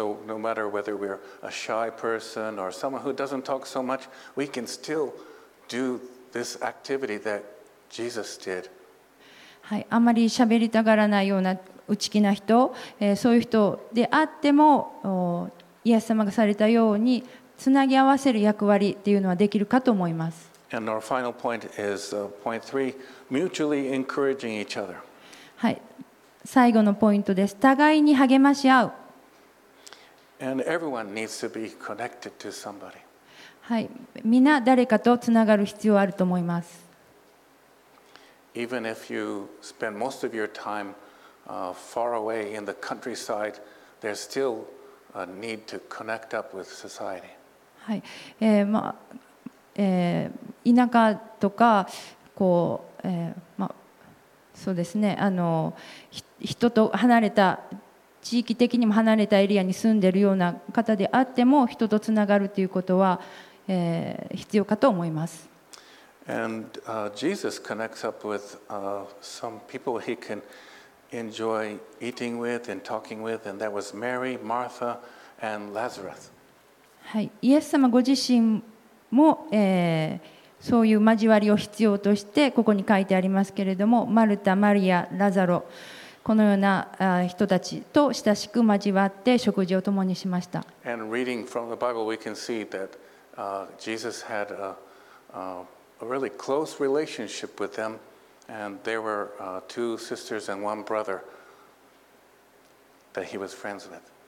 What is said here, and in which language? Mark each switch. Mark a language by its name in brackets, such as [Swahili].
[English] So no matter whether we're a shy person or someone who doesn't talk so much, we can still do this activity that Jesus did. [Japanese] はい、あまり喋りたがらないような内気な人、そういう人であっても、イエス様がされたようにつなぎ合わせる役割っていうのはできるかと思います。 [English] And our final point is point three, mutually encouraging each other. [Japanese] はい。最後のポイントです。互いに励まし合う。 [English] And everyone needs to be connected to somebody. [Japanese] はい、みんな誰かとつながる必要あると思います。 [English] Even if you spend most of your time far away in the countryside, there's still a need to connect up with society. [Japanese] はい、まあ、田舎とかこう、まあ、そうですね、あの人と離れた地域的にも離れたエリアに住んでいるような方であっても人とつながるということは、必要かと思います。 [English] And, Jesus connects up with, some people he can enjoy eating with and talking with, and that was Mary, Martha, and Lazarus. [Japanese] はい、イエス様ご自身も、そういう交わりを必要としてここに書いてありますけれども、マルタ、マリア、ラザロ、このような人たちと親しく交わって食事を共にしました。 [English] And reading from the Bible, we can see that, Jesus had a really close relationship with them, and there were, two sisters and one brother that he was friends with.